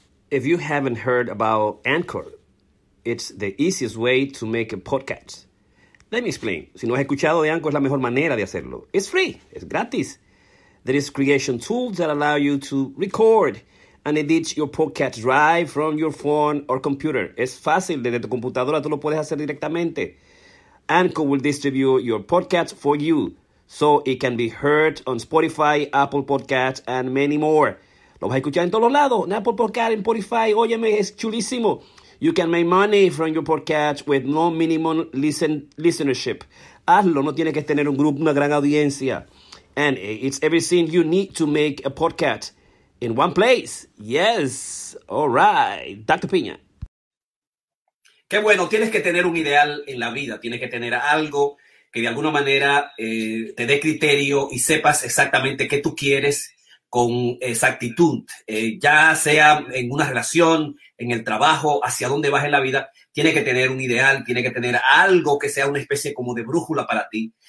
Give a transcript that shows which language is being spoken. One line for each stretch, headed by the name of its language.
English: If you haven't heard about Anchor, it's the easiest way to make a podcast. Let me explain.
Spanish: Si no has escuchado de Anchor, es la mejor manera de hacerlo.
English: It's free. It's gratis. There is creation tools that allow you to record and edit your podcast right from your phone or computer.
Spanish: Es fácil. Desde tu computadora tú lo puedes hacer directamente.
English: Anchor will distribute your podcast for you so it can be heard on Spotify, Apple Podcasts, and many more.
Spanish: Lo vas a escuchar en todos los lados, en Apple Podcast, en Spotify. Óyeme, es chulísimo.
English: You can make money from your podcast with no minimum listenership.
Spanish: Hazlo, no tienes que tener un grupo, una gran audiencia.
English: And it's everything you need to make a podcast in one place. Yes, all right. Dr. Piña.
Spanish: Qué bueno, tienes que tener un ideal en la vida. Tienes que tener algo que de alguna manera te dé criterio y sepas exactamente qué tú quieres con exactitud, ya sea en una relación, en el trabajo, hacia dónde vas en la vida, tiene que tener un ideal, tiene que tener algo que sea una especie como de brújula para ti.